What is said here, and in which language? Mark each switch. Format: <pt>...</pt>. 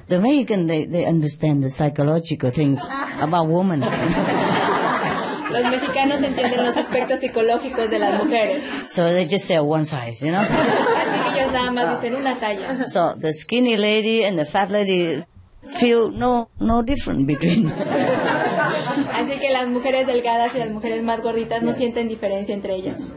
<en>The Mexican, they understand the psychological things about women.</en> <es>Los mexicanos entienden los aspectos psicológicos de las mujeres.</es> <en>So they just say one size, you know?</en> <es>Así que ellos nada más dicen una talla.</es> <en>So the skinny lady and the fat lady feel no different between.</en> <es>Así que las mujeres delgadas y las mujeres más gorditas no sienten diferencia entre ellas.</es>